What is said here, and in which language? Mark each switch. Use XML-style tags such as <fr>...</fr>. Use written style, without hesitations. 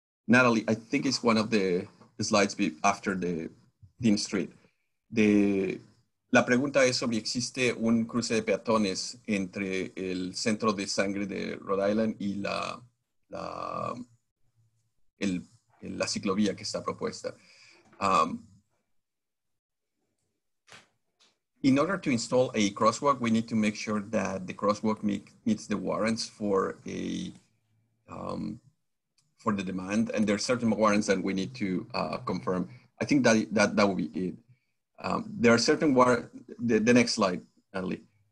<en>Natalie, I think it's one of the slides after the Dean Street.</en> <es>La pregunta es sobre si existe un cruce de peatones entre el centro de sangre de Rhode Island y la ciclovía que está propuesta.</es> <en>In order to install a crosswalk, we need to make sure that the crosswalk meets the warrants for the demand, and there are certain warrants that we need to confirm. I think that would be it. There are certain the next slide, Natalie.</en>